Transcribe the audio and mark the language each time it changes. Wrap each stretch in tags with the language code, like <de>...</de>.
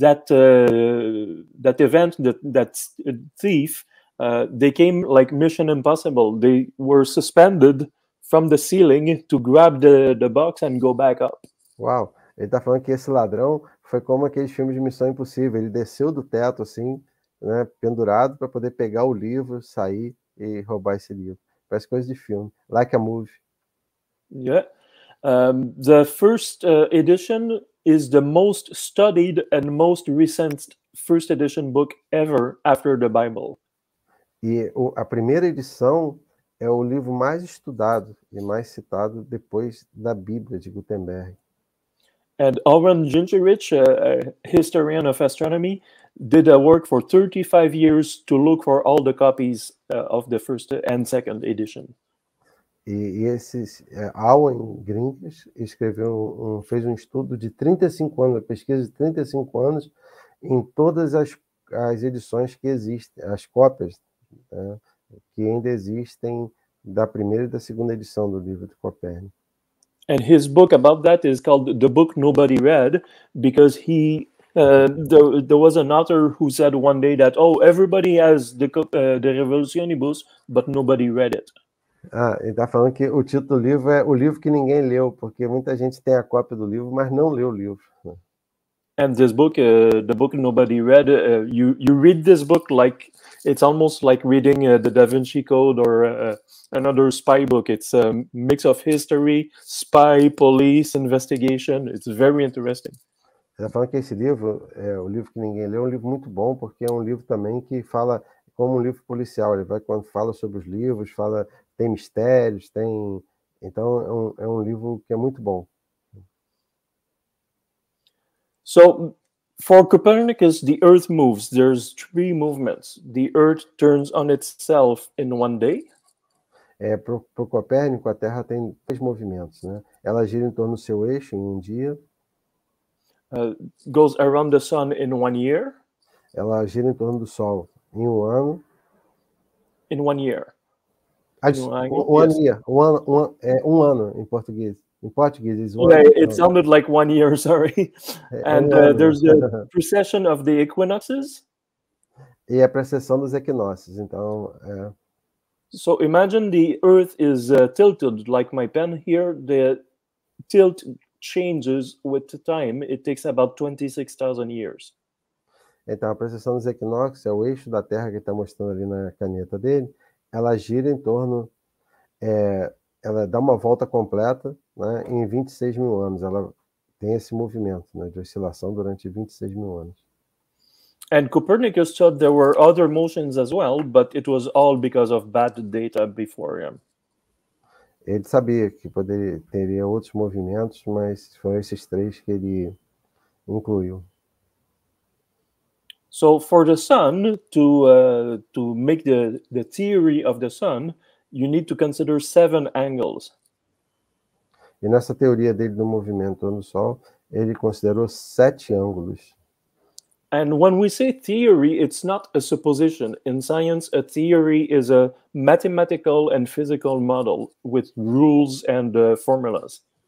<en>And that event, that thief, they came like Mission Impossible. They were suspended from the ceiling to grab the box and go back up.</en> <pt>Uau, ele está falando que esse ladrão foi como aqueles filmes de Missão Impossível. Ele desceu do teto assim, né, pendurado, para poder pegar o livro, sair e roubar esse livro. Parece coisa de filme,</pt> <en>like a movie. Yeah. The first edition is the most studied and most recent first edition book ever after the Bible.</en> <pt>E a primeira edição é o livro mais estudado e mais citado depois da Bíblia de Gutenberg.</pt> <en>And Oren Gingerich, a historian of astronomy, did a work for 35 years to look for all the copies of the first and second edition.</en> <pt>E esses Alan Gingrich escreveu fez um estudo de 35 anos, pesquisa de 35 anos em todas as edições que existem, as cópias, né, que ainda existem da primeira e da segunda edição do livro de Copérnico.</pt> <en>And his book about that is called The Book Nobody Read, because he there was an author who said one day that, oh, everybody has the Revolutionibus, but nobody read it.</en> <pt>Ah, ele está falando que o título do livro é o livro que ninguém leu, porque muita gente tem a cópia do livro, mas não leu o livro.</pt> <en>And this book, The Book Nobody Read, you read this book like, it's almost like reading The Da Vinci Code or another spy book. It's a mix of history, spy, police, investigation. It's very interesting.</en> <pt>Ele está falando que esse livro, o livro que ninguém leu, é um livro muito bom, porque é um livro também que fala como um livro policial. Ele vai quando fala sobre os livros, fala, tem mistérios, tem... Então, é um livro que é muito bom.</pt> <en>So, for Copernicus, the Earth moves. There's three movements. The Earth turns on itself in one day.</en> <pt>Pro Copérnico, a Terra tem três movimentos, né? Ela gira em torno do seu eixo em um dia.</pt> <en>Goes around the sun in one year.</en> <pt>Ela gira em torno do Sol em um ano.</pt> <en>In one year.</en> <pt>Um ano em português.</pt> <en>In Portuguese, it's one. Yeah, it sounded like one year, sorry. And there's the precession of the equinoxes.</en> <pt>E a precessão dos equinócios, então.</pt> <en>So imagine the Earth is tilted, like my pen here. The tilt changes with time. It takes about 26,000 years.</en> <pt>Então, a precessão dos equinócios é o eixo da Terra que ele está mostrando ali na caneta dele. Ela gira em torno. Ela dá uma volta completa, né, em 26 mil anos. Ela tem esse movimento, né, de oscilação durante 26 mil anos.</pt> <en>And Copernicus thought there were other motions as well, but it was all because of bad data before him.</en> <pt>Ele sabia que teria outros movimentos, mas foram esses três que ele incluiu.</pt> <en>So for the sun to make the theory of the sun, you need to consider seven angles.</en> <pt>E nessa teoria dele do movimento do Sol, ele considerou sete ângulos.</pt> <en>And when we say theory, it's not a supposition. In science, a theory is a mathematical and physical model with rules and formulas.</en>